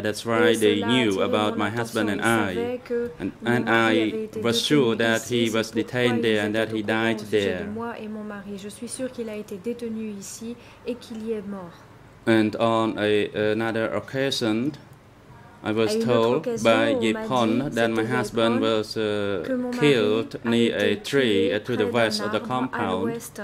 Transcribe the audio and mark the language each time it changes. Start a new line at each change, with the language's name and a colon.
English: That's why they knew about my husband and I, and I was sure that he was detained there and that he died there.
French: Moi et mon mari, je suis sûr qu'il a été détenu ici et qu'il y est mort.
English: And on another occasion, I was told by Yipon that my husband was killed near a tree to the west of the compound.